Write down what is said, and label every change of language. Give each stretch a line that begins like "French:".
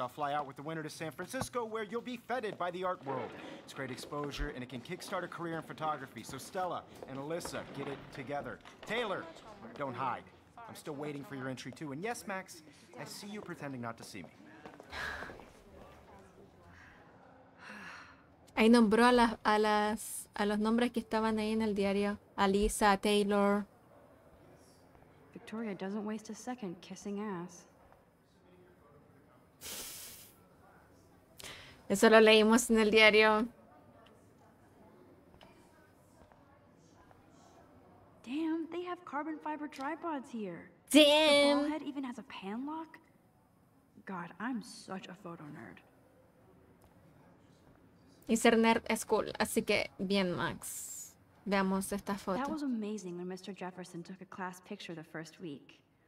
English: I'll fly out with the winner to San Francisco, where you'll be feted by the art world. It's great exposure, and it can kickstart a career in photography. So Stella and Alyssa, get it together. Taylor, don't hide. I'm still waiting for your entry too. And yes, Max, I see you pretending not to see me.
Spanish: Ahí nombró a los nombres que estaban ahí en el diario.
English: Alyssa, Taylor. Victoria doesn't waste a second kissing ass.
Spanish: Eso lo leímos en el diario.
English: Damn, they have carbon fiber tripods here. Damn! The ball head even has a pan lock? God, I'm such a photo nerd.
Spanish: Y ser nerd es cool, así que bien, Max. Veamos esta foto.
English: That was amazing when Mr. Jefferson took a class picture the first week.